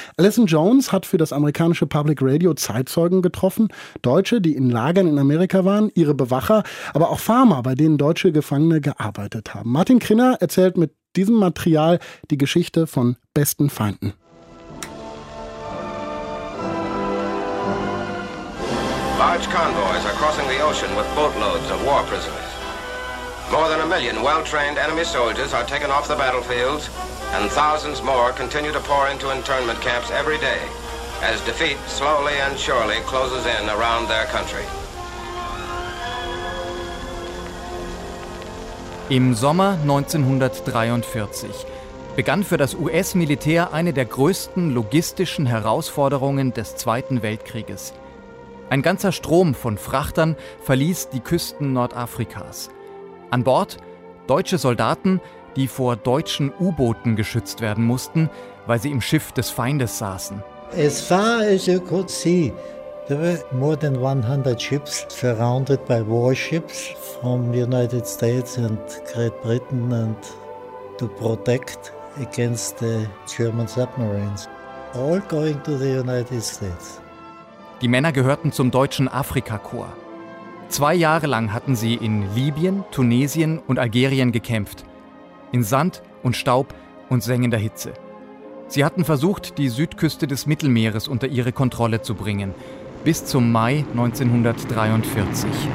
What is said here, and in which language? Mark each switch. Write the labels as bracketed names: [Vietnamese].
[German] Alison Jones hat für das amerikanische Public Radio Zeitzeugen getroffen. Deutsche, die in Lagern in Amerika waren, ihre Bewacher, aber auch Farmer, bei denen deutsche Gefangene gearbeitet haben. Martin Krinner erzählt mit diesem Material die Geschichte von besten Feinden. [English] Large convoys are crossing the ocean with boatloads of war prisoners. More than 1 million well-trained enemy soldiers are taken off the battlefields, and thousands more continue to pour into internment camps every day as defeat slowly and surely closes in around their country. [German] Im Sommer 1943 begann für das US-Militär eine der größten logistischen Herausforderungen des Zweiten Weltkrieges. Ein ganzer Strom von Frachtern verließ die Küsten Nordafrikas. An Bord deutsche Soldaten, die vor deutschen U-Booten geschützt werden mussten, weil sie im Schiff des Feindes saßen. [English] As far as you could see, there were more than 100 ships surrounded by warships from the United States and Great Britain and to protect against the German submarines, all going to the United States. [German] Die Männer gehörten zum deutschen Afrika-Korps. 2 Jahre lang hatten sie in Libyen, Tunesien und Algerien gekämpft. In Sand und Staub und sengender Hitze. Sie hatten versucht, die Südküste des Mittelmeeres unter ihre Kontrolle zu bringen. Bis zum Mai 1943.